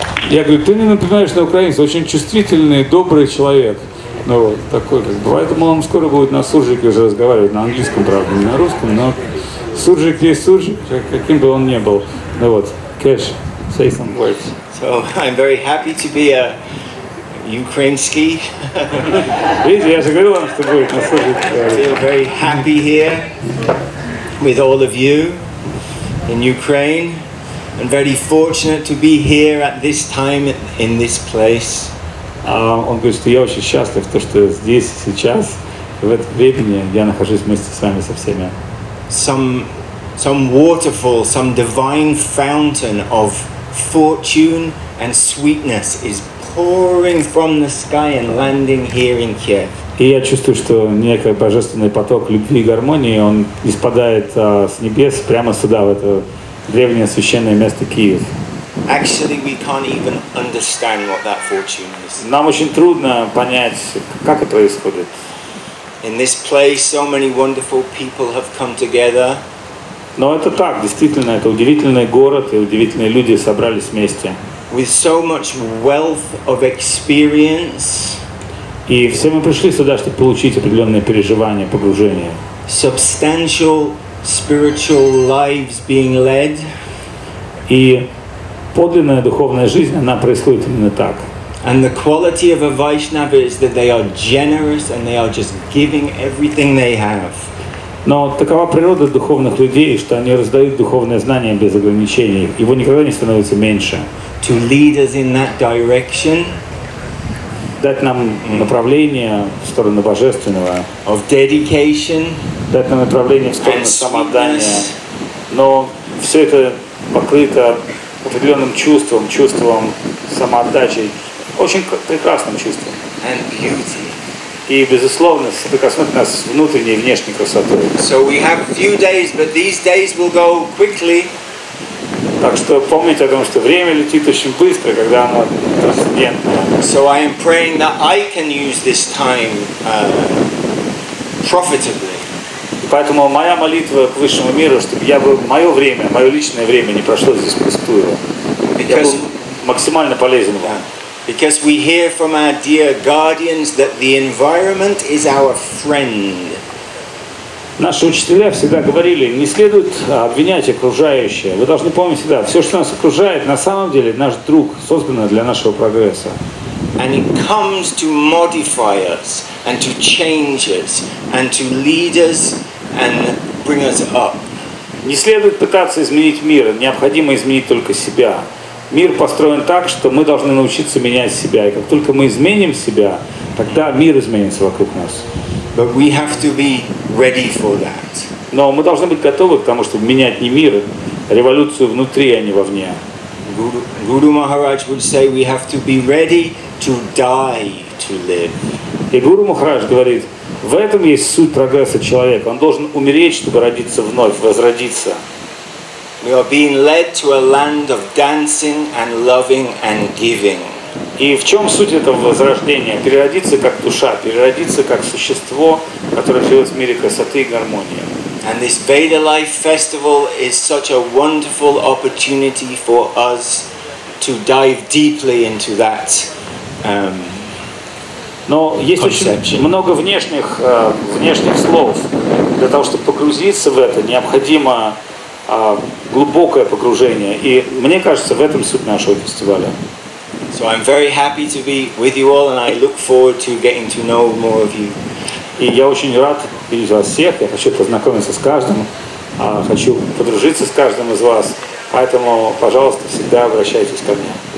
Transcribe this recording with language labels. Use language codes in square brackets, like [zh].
[ru] Я говорю, ты не напоминаешь на украинца, очень чувствительный, добрый человек. Ну вот, такой как бывает. Думал, он скоро будет на суржике уже разговаривать, на английском, правда, не на русском, но суржик есть суржик, каким бы он ни был. Ну вот, [en] Кеш, say some words. So, I'm very happy to be a Ukrainsky. [ru] Видите, я же говорил вам, что будет на службе. [en] I feel very happy here with all of you in Ukraine and very fortunate to be here at this time in this place. [ru] Он говорит, что я очень счастлив, что здесь, сейчас, в это время я нахожусь вместе с вами, со всеми. [en] Some waterfall, some divine fountain of fortune and sweetness is pouring from the sky and landing here in Kiev. [ru] И я чувствую, что некий божественный поток любви и гармонии, он испадает с небес прямо сюда, в это древнее священное место Киев. [en] Actually, we can't even understand what that fortune is. [ru] Нам очень трудно понять, как это происходит. [en] In this place, so many wonderful people have come together. [ru] Но это так, действительно, это удивительный город, и удивительные люди собрались вместе. [en] With so much wealth of experience. [ru] И все мы пришли сюда, чтобы получить определенные переживания, погружения. [en] Substantial spiritual lives being led. [ru] И подлинная духовная жизнь, она происходит именно так. [en] And the quality of a Vaishnava is that they are generous and they are just giving everything they have. [ru] Но такова природа духовных людей, что они раздают духовное знание без ограничений. Его никогда не становится меньше. [en] To lead us in that direction, [ru] дать нам направление в сторону божественного, [en] of dedication, [ru] дать нам направление в сторону самоотдания. Но все это покрыто определенным чувством, чувством самоотдачи, очень прекрасным чувством. [en] And beauty. [ru] И, безусловно, соприкоснуть нас с внутренней и внешней красотой. [en] So we have few days, but these days will go quickly. [ru] Так что помните о том, что время летит очень быстро, когда оно трансцендентно. [en] So I am praying that I can use this time profitably. [ru] Поэтому моя молитва к Высшему Миру, чтобы я бы мое время, мое личное время не прошло здесь впустую. [en] Because, [ru] я был максимально полезен вам. [en] Yeah. Because we hear from our dear guardians that the environment is our friend. [ru] Наши учителя всегда говорили, не следует обвинять окружающее. Вы должны помнить всегда, все, что нас окружает, на самом деле наш друг, создан для нашего прогресса. [en] And it comes to modify us, and to change us, and to lead us, and bring us up. [ru] Не следует пытаться изменить мир, необходимо изменить только себя. Мир построен так, что мы должны научиться менять себя. И как только мы изменим себя, тогда мир изменится вокруг нас. [en] But we have to be ready for that. [ru] Но мы должны быть готовы к тому, чтобы менять не мир, а революцию внутри, а не вовне. [en] Guru Maharaj would say we have to be ready to die to live. [ru] И Гуру Махарадж говорит, В этом есть суть прогресса человека. Он должен умереть, чтобы родиться вновь, возродиться. [en] We are being led to a land of dancing and loving and giving. [ru] И в чем суть этого возрождения? Переродиться как душа, переродиться как существо, которое живет в мире красоты и гармонии. [en] And this Veda Life Festival is such a wonderful opportunity for us to dive deeply into that. [ru] Но есть очень много внешних слов. Для того, чтобы погрузиться в это, необходимо глубокое погружение. И мне кажется, в этом суть нашего фестиваля. [en] So I'm very happy to be with you all, and I look forward to getting to know more of you. [ru] И я очень рад видеть вас всех. Я хочу познакомиться с каждым, хочу подружиться с каждым из вас. Поэтому, пожалуйста, всегда обращайтесь ко мне.